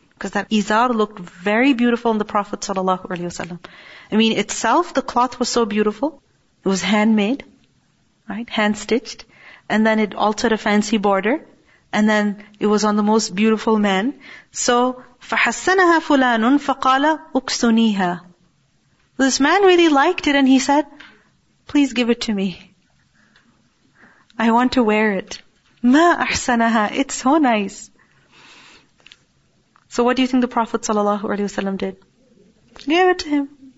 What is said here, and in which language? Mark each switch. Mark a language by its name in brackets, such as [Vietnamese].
[English] Because that izar looked very beautiful in the Prophet sallallahu alaihi wasallam. I mean, itself, the cloth was so beautiful. It was handmade, right? Hand-stitched. And then it altered a fancy border. And then it was on the most beautiful man. So, [Arabic] فحسنها فلان فقال اكسنيها. [English] This man really liked it and he said, please give it to me. I want to wear it. [Arabic] ما أحسنها. [English] It's so nice. So what do you think the Prophet sallallahu alaihi wasallam did? Gave it to him.